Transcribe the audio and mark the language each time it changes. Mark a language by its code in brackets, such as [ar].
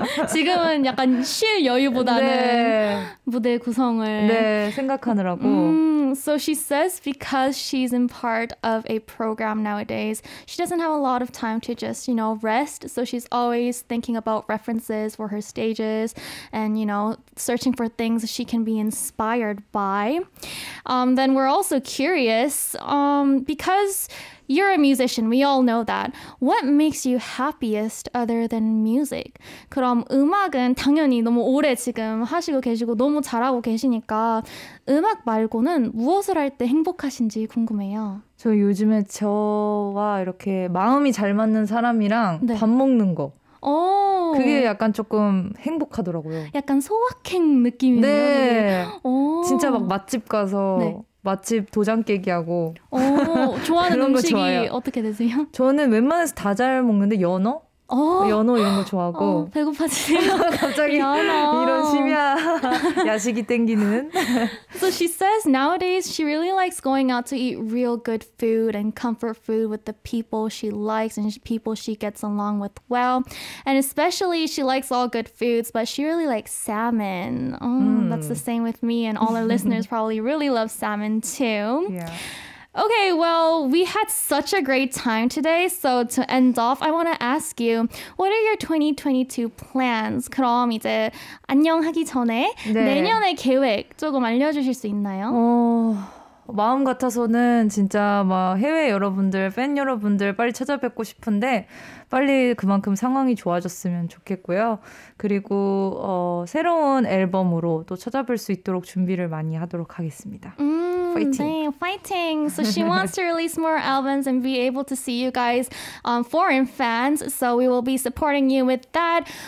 [ko] 지금은 약간 쉴 여유보다는 네. 무대 구성을 네, 생각하느라고. [en] So she says because she's in part of a program nowadays, she doesn't have a lot of time to just, you know, rest. So she's always thinking about references for her stages and, you know, searching for things she can be inspired by. Then we're also curious, because you're a musician, we all know that. What makes you happiest other than music? [ko] 그럼 음악은 당연히 너무 오래 지금 하시고 계시고 너무 잘하고 계시니까 음악 말고는 무엇을 할 때 행복하신지 궁금해요. 저 요즘에 저와 이렇게 마음이 잘 맞는 사람이랑 네. 밥 먹는 거. 오. 그게 약간 조금 행복하더라고요. 약간 소확행 느낌이에요. 네. 오. 진짜 막 맛집 가서 네. 맛집 도장 깨기하고 좋아하는 음식이 어떻게 되세요? 저는 웬만해서 다 잘 먹는데 연어? 오. 연어 이런 거 좋아하고 배고파지네요. 갑자기 연어. 이런 심야 야식이 땡기는 [en] So she says nowadays she really likes going out to eat real good food and comfort food with the people she likes and people she gets along with well. And especially she likes all good foods, but she really likes salmon. That's the same with me and all our listeners probably really love salmon too. Yeah. Okay, well, we had such a great time today. So to end off, I want to ask you, what are your 2022 plans? [ko] 그럼 이제 안녕하기 전에 네. 내년의 계획 조금 알려주실 수 있나요? 마음 같아서는 진짜 막 해외 여러분들, 팬 여러분들 빨리 찾아뵙고 싶은데 빨리 그만큼 상황이 좋아졌으면 좋겠고요. 그리고 새로운 앨범으로 또 찾아뵐 수 있도록 준비를 많이 하도록 하겠습니다. 파이팅! 네, 파이팅! [en] So she wants to release more albums and be able to see you guys foreign fans. So we will be supporting you with that.